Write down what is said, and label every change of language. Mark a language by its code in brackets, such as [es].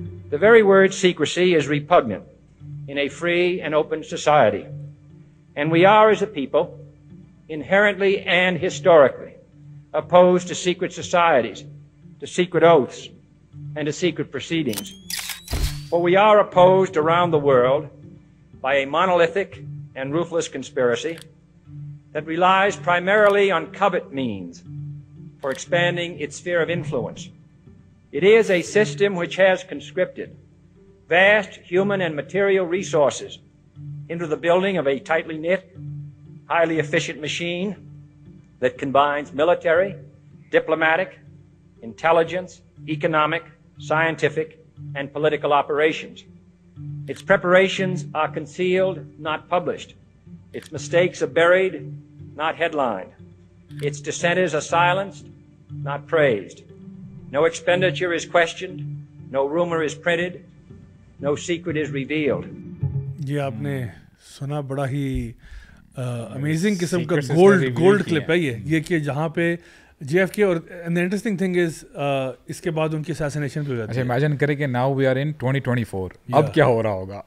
[en] The very word secrecy is repugnant in a free and open society, and we are as a people inherently and historically opposed to secret societies, to secret oaths and a secret proceedings. But we are opposed around the world by a monolithic and ruthless conspiracy that relies primarily on covert means for expanding its sphere of influence. It is a system which has conscripted vast human and material resources into the building of a tightly knit, highly efficient machine that combines military, diplomatic, intelligence, economic, scientific and political operations. Its preparations are concealed, not published. Its mistakes are buried, not headlined. Its dissenters are silenced, not praised. No expenditure is questioned. No rumor is printed. No secret is revealed. [hi] ये आपने सुना, बड़ा ही amazing किस्म का gold gold clip है ये कि जहाँ पे JFK और [en] an interesting thing is [hi] इसके बाद उनकी असैसिनेशन भी हो जाती है। इमेजिन करें कि [en] now we are in 2024, [hi] अब क्या हो रहा होगा।